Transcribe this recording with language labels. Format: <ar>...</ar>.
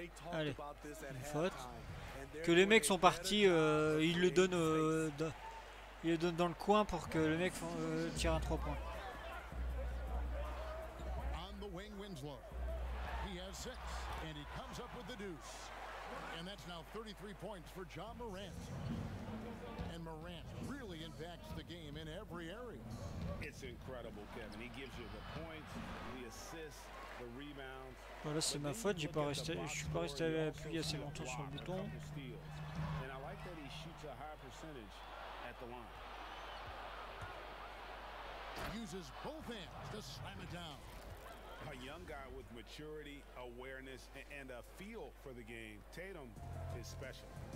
<fr>Allez, une faute. Que les mecs sont partis, ils le donnent dans le coin pour que le mec tire un 3 points.</fr> <en>wing Winslow. He has six, and he comes up with the deuce. And that's now 33 points for John Morant. And Morant really impacts the game in every area. It's incredible, Kevin. He gives you the points, the assists, the rebounds.</en> <fr>Voilà, c'est ma faute. Je suis pas resté appuyé assez longtemps sur le bouton.</fr> <en>And I like that he shoots a high percentage at the line. Uses both hands to slam it down. A young guy with maturity, awareness, and a feel for the game. Tatum is special.</en>